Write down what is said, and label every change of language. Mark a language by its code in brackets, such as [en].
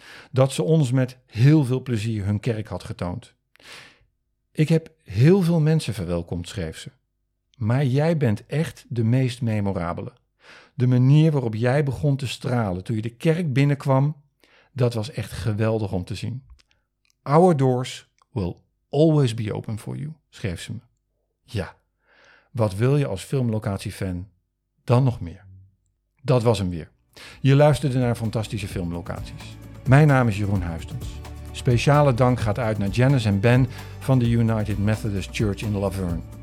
[nl] Dat ze ons met heel veel plezier hun kerk had getoond. Ik heb heel veel mensen verwelkomd, schreef ze. Maar jij bent echt de meest memorabele. De manier waarop jij begon te stralen toen je de kerk binnenkwam, Dat was echt geweldig om te zien. [en] Our doors will always be open for you, [nl] schreef ze me. Ja, wat wil je als filmlocatiefan dan nog meer? Dat was hem weer. Je luisterde naar fantastische filmlocaties. Mijn naam is Jeroen Huistens. Speciale dank gaat uit naar Janice en Ben van de United Methodist Church in Laverne.